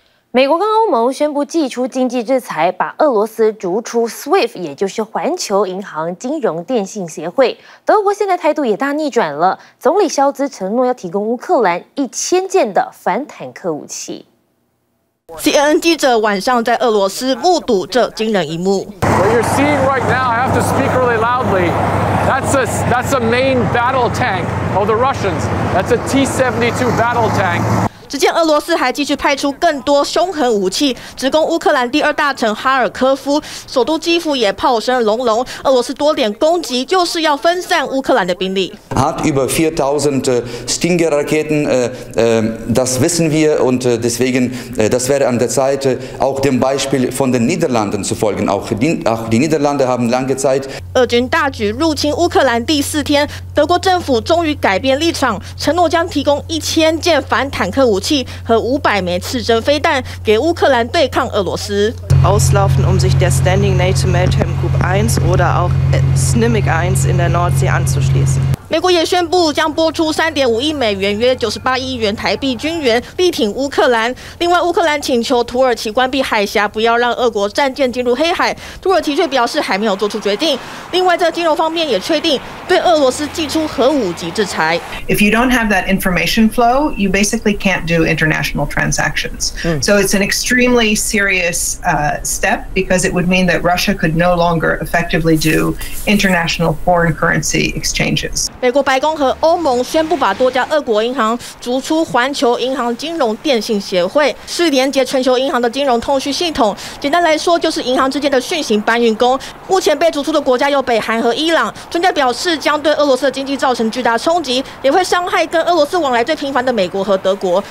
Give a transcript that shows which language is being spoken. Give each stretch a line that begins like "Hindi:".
Chinese: 美国跟欧盟宣布祭出经济制裁，把俄罗斯逐出 SWIFT， 也就是环球银行金融电信协会。德国现在态度也大逆转了，总理肖兹承诺要提供乌克兰1000件的反坦克武器。 CNN 记者晚上在俄罗斯目睹这惊人一幕。
English: What you're seeing right now, I have to speak really loudly. That's a main battle tank of the Russians. That's a T-72 battle tank.
Chinese: 只见俄罗斯还继续派出更多凶狠武器，直攻乌克兰第二大城哈尔科夫，首都基辅也炮声隆隆。俄罗斯多点攻击就是要分散乌克兰的兵力。
German: Hat über 4000 Stinger-Raketen, das wissen wir und deswegen das wäre an der Zeit auch dem Beispiel von den Niederlanden zu folgen. Auch die Niederlande haben lange Zeit.
Chinese: 俄军大举入侵乌克兰第四天，德国政府终于改变立场，承诺将提供1000件反坦克。武器和500枚刺针飞弹给乌克兰对抗俄罗斯。
German: Auslaufen, um sich der Standing NATO Maritime Group 1 oder auch Snimmig 1 in der Nordsee anzuschließen.
Chinese: 美国也宣布将拨出$3.5亿，约98亿元台币军援，力挺乌克兰。另外，乌克兰请求土耳其关闭海峡，不要让俄国战舰进入黑海。土耳其却表示还没有做出决定。另外，在金融方面也确定对俄罗斯寄出核武级制裁。
English: If you don't have that information flow, you basically can't do international transactions. So it's an extremely serious step because it would mean that Russia could no longer effectively do international foreign currency exchanges.
Chinese: 美国白宫和欧盟宣布把多家俄国银行逐出环球银行金融电信协会，是连接全球银行的金融通讯系统。简单来说，就是银行之间的讯息搬运工。目前被逐出的国家有北韩和伊朗。专家表示，将对俄罗斯的经济造成巨大冲击，也会伤害跟俄罗斯往来最频繁的美国和德国。